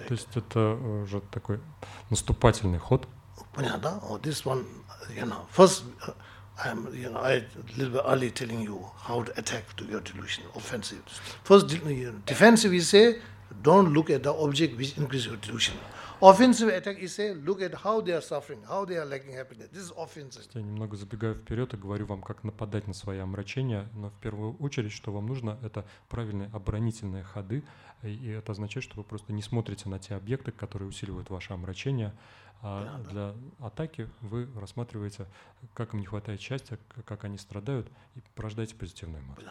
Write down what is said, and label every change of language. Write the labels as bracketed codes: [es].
[ru] То есть это уже такой наступательный ход. Понятно, да? [en] Oh, this one, you know, first, I'm, you know, I little bit early telling you how to attack to your delusion. Offensive. First, defensive, you say, don't look at the object which increases your delusion. Offensive attack, you say, look at how they are suffering, how they are lacking happiness. This is offensive. [ru] Я немного забегаю вперед и говорю вам, как нападать на свои омрачения, но в первую очередь, что вам нужно, это правильные оборонительные ходы. И это означает, что вы просто не смотрите на те объекты, которые усиливают ваше омрачение. А да, для атаки вы рассматриваете, как им не хватает счастья, как они страдают, и порождаете позитивную